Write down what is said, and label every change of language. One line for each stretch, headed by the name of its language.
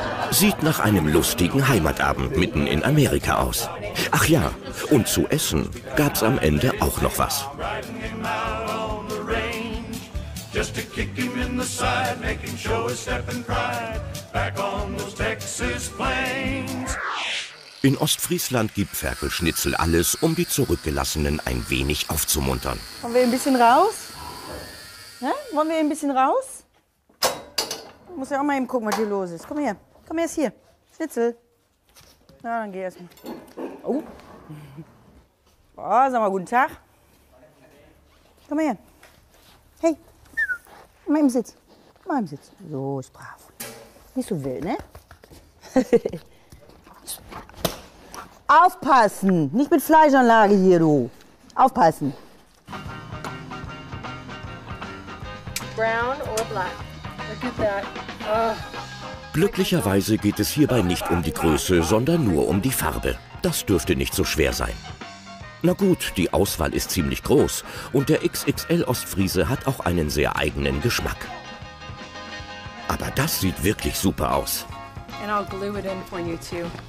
German: Sieht nach einem lustigen Heimatabend mitten in Amerika aus. Ach ja, und zu essen gab's am Ende auch noch was.
English: Just to kick him in the side, make him show his step and pride, back on those Texas plains.
German: In Ostfriesland gibt Ferkelschnitzel alles, um die Zurückgelassenen ein wenig aufzumuntern. Wollen wir ein bisschen raus? Ne? Wollen wir ein bisschen raus? Ich muss ja auch mal eben gucken, was hier los ist. Komm erst hier. Schnitzel. Na, dann geh erst mal. Oh. Boah, sag mal guten Tag. Komm her. Hey, Mal im Sitz. Mal im Sitz. So ist brav. Nicht so wild, ne? Aufpassen! Nicht mit Fleischanlage hier, du. Aufpassen.
English: Brown or black? Look at that.
German: Glücklicherweise geht es hierbei nicht um die Größe, sondern nur um die Farbe. Das dürfte nicht so schwer sein. Na gut, die Auswahl ist ziemlich groß und der XXL-Ostfriese hat auch einen sehr eigenen Geschmack. Aber das sieht wirklich super aus.
English: And I'll glue it in for you too.